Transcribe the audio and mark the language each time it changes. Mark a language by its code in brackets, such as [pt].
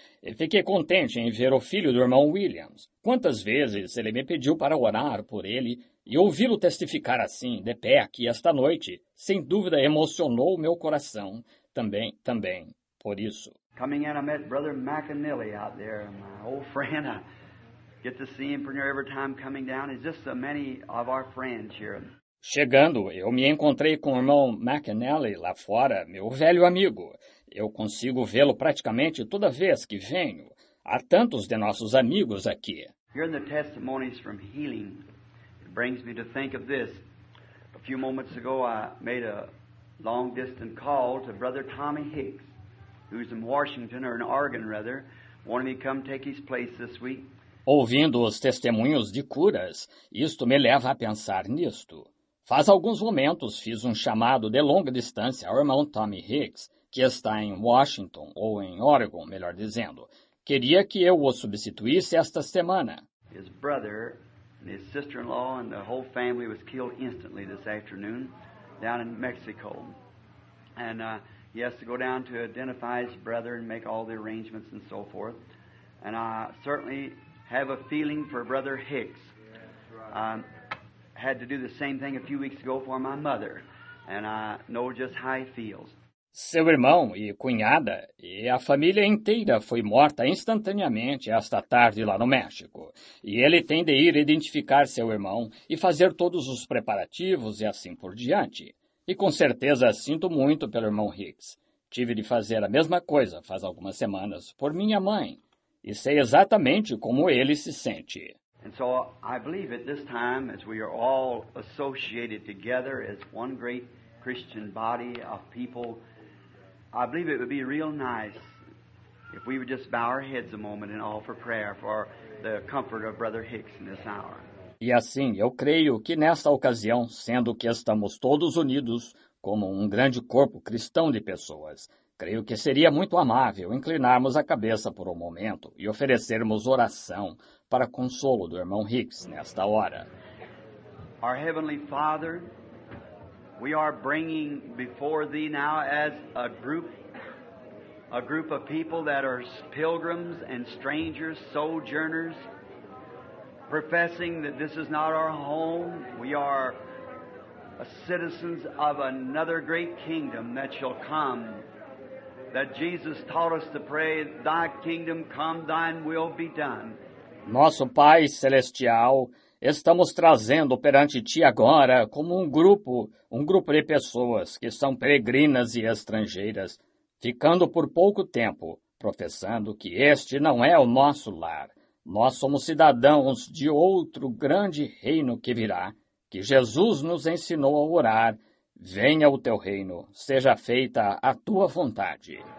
[pt] E fiquei contente em ver o filho do irmão Williams. Quantas vezes ele me pediu para orar por ele e ouvi-lo testificar assim, de pé aqui esta noite, sem dúvida emocionou o meu coração também, por isso. [en] Coming in, I met Brother McAnally out there, my old friend. I get to see him pretty near every time coming down. He's just so many of our friends here. [pt] Chegando, eu me encontrei com o irmão McAnally lá fora, meu velho amigo. Eu consigo vê-lo praticamente toda vez que venho. Há tantos de nossos amigos aqui. [en] Hearing the testimonies from healing, it brings me to think of this. A few moments ago, I made a long-distance call to Brother Tommy Hicks, who's in Washington, or in Oregon, rather, wanted me to come take his place this week. [pt] Ouvindo os testemunhos de curas, isto me leva a pensar nisto. Faz alguns momentos fiz um chamado de longa distância ao irmão Tommy Hicks, que está em Washington, ou em Oregon, melhor dizendo. Queria que eu o substituísse esta semana. [en] His brother and his sister-in-law and the whole family was killed instantly this afternoon down in Mexico. And he has to go down to identify his brother and make all the arrangements and so forth. And I certainly have a feeling for Brother Hicks. Had to do the same thing a few weeks ago for my mother, and I know just how he feels. [pt] Seu irmão e cunhada e a família inteira foi morta instantaneamente esta tarde lá no México. E ele tem de ir identificar seu irmão e fazer todos os preparativos e assim por diante. E com certeza sinto muito pelo irmão Hicks. Tive de fazer a mesma coisa faz algumas semanas por minha mãe. E sei exatamente como ele se sente. [en] And so I believe at this time, as we are all associated together as one great Christian body of people, I believe it would be real nice if we would just bow our heads a moment and offer prayer for the comfort of Brother Hicks in this hour. [pt] E assim, eu creio que nesta ocasião, sendo que estamos todos unidos como um grande corpo cristão de pessoas, creio que seria muito amável inclinarmos a cabeça por um momento e oferecermos oração para consolo do irmão Hicks nesta hora. [en] Our Heavenly Father, we are bringing before Thee now as a group of people that are pilgrims and strangers, sojourners, professing that this is not our home. We are citizens of another great kingdom that shall come. That Jesus taught us to pray, Thy kingdom come, Thine will be done. [pt] Nosso Pai Celestial, estamos trazendo perante Ti agora como um grupo de pessoas que são peregrinas e estrangeiras, ficando por pouco tempo, professando que este não é o nosso lar. Nós somos cidadãos de outro grande reino que virá, que Jesus nos ensinou a orar, venha o Teu reino, seja feita a Tua vontade.